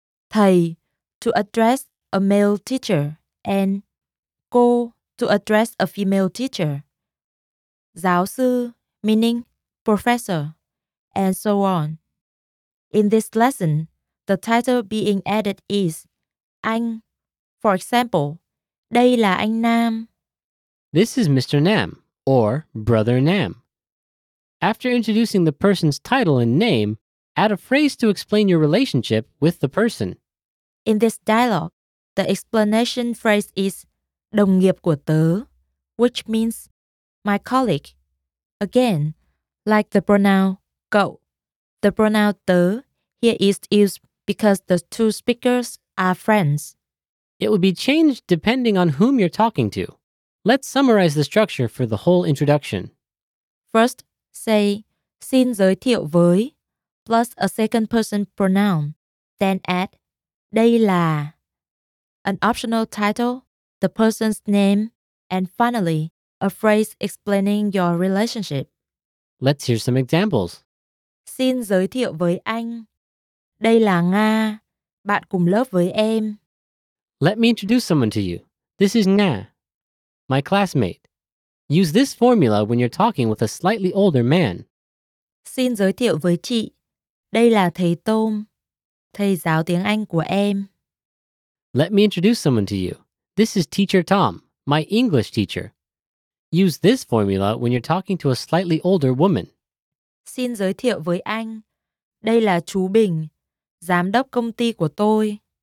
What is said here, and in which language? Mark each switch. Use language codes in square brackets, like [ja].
[en] Thầy, to address a male teacher, and cô, to address a female teacher. Giáo sư, meaning professor, and so on. In this lesson, the title being added is anh. For example, [vi] đây là anh Nam. [en] This is Mr. Nam, or Brother Nam. After introducing the person's title and name, add a phrase to explain your relationship with the person. In this dialogue, the explanation phrase is [vi] đồng nghiệp của tớ, [en] which means my colleague. Again, like the pronoun cậu, the pronoun tớ here is used because the two speakers are friends. It will be changed depending on whom you're talking to. Let's summarize the structure for the whole introduction. First, say [vi] xin giới thiệu với [en] plus a second person pronoun, then add [vi] đây là, [en] an optional title, the person's name, and finally, a phrase explaining your relationship. Let's hear some examples. [vi] Xin giới thiệu với anh. Đây là Nga, bạn cùng lớp với em. [en] Let me introduce someone to you. This is Nga, my classmate. Use this formula when you're talking with a slightly older man. [vi] Xin giới thiệu với chị. Đây là thầy Tôm, thầy giáo tiếng Anh của em. [en] Let me introduce someone to you. This is teacher Tom, my English teacher. Use this formula when you're talking to a slightly older woman. [vi] Xin giới thiệu với anh. Đây là chú Bình, giám đốc công ty của tôi.